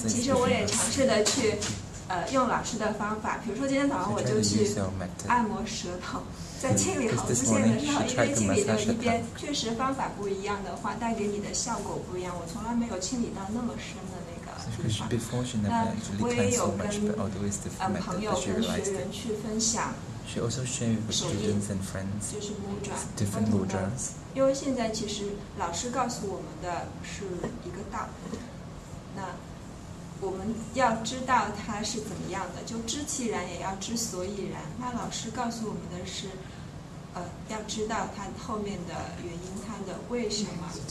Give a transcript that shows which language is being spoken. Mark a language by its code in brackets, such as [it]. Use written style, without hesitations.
[zh] 其实我也尝试的去用老师的方法，比如说今天早上我就去按摩舌头，在清理喉咙线的时候，因为清理的一边确实方法不一样的话，带给你的效果不一样。我从来没有清理到那么深的那个地方。那我也有跟朋友跟学员去分享。 [en] She also shared with students and friends different mudras. [zh] 因为现在其实老师告诉我们的是一个道，那我们要知道它是怎么样的，就知其然也要知所以然。那老师告诉我们的是，要知道它后面的原因，它的为什么。